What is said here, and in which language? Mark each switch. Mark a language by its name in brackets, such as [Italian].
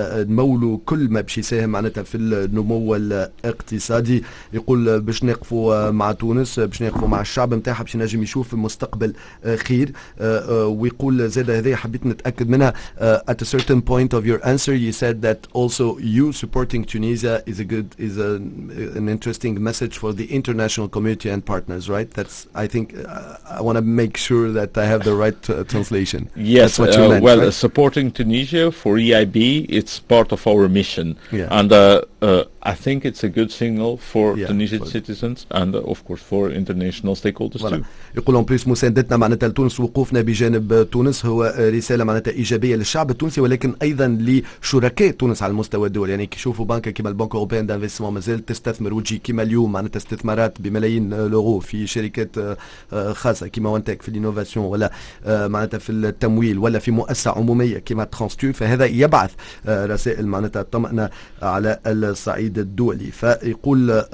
[Arabic] نمولوا كل ما باش يساهم معناتها في النمو اقتصادي يقول باش نقفوا مع تونس باش نقفوا مع الشعب نتاعها باش نجم يشوف المستقبل خير ويقول زادة هذي حبيت نتأكد منها [English] at a certain point of your answer you said that also you supporting Tunisia is an interesting message for the international community and partners, right? That's I think I want to make sure that I have the right translation. Yes, what you meant, well, right? Supporting Tunisia for EIB it's part of our mission. Yeah. And I think it's a good signal for Tunisian citizens and of course for international stakeholders too. [Arabic] يقول ان بليس مساندتنا معناتها لتونس وقوفنا بجانب تونس هو رساله معناتها ايجابيه للشعب التونسي ولكن ايضا لشركاء تونس على المستوى الدولي يعني كيشوفوا بنك كيما البنك الاوروبي دانفيستمون مازال تستثمر وتجي كيما اليوم معناتها استثمارات بملايين لورو في شركات خاصه كيما وانتك في الانوفاسيون ولا معناتها في التمويل ولا في مؤسسه عموميه كيما ترانستو فهذا يبعث رسائل معناتها طمأنة على الصعيد الدولي فيقول